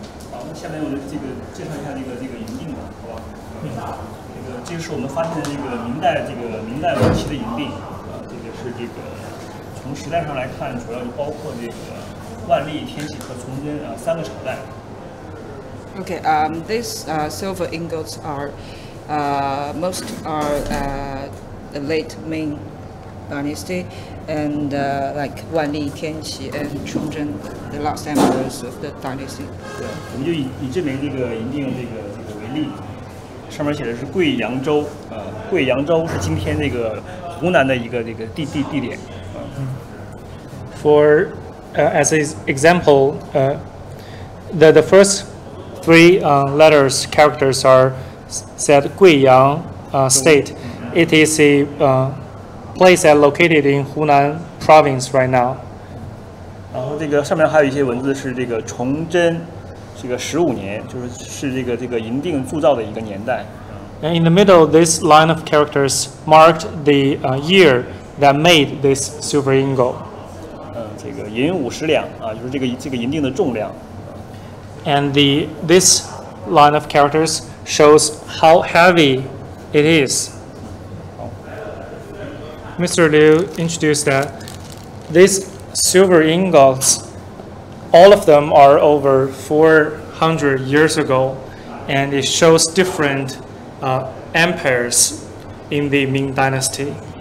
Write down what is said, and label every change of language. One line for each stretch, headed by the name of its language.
Chinese: 好，那下面我这个介绍一下这个营地吧，好吧？这个这是我们发现的这个明代晚期的营地，这个是这个从时代上来看，主要就包括这个万历、天启和崇祯三个朝代。
English: Okay, these silver ingots are most are the late Ming Dynasty and like Wanli, Tianqi, and Chongzhen, the last emperors of the dynasty.
Chinese: 对，我们就以这枚这个银锭这个为例，上面写的是贵阳州，贵阳州是今天这个湖南的一个这个地点。
English: For as an example, the first three letters characters are said Guiyang state. It is a place that located in Hunan province right now.
Chinese: 然后这个上面还有一些文字是这个崇祯这个十五年，就是是这个银锭铸造的一个年代。
English: And in the middle, this line of characters marked the year that made this silver ingot.
Chinese: 这个银五十两啊，就是这个银锭的重量。
English: And this line of characters shows how heavy it is. Mr. Liu introduced that these silver ingots, all of them are over 400 years ago, and it shows different empires in the Ming Dynasty.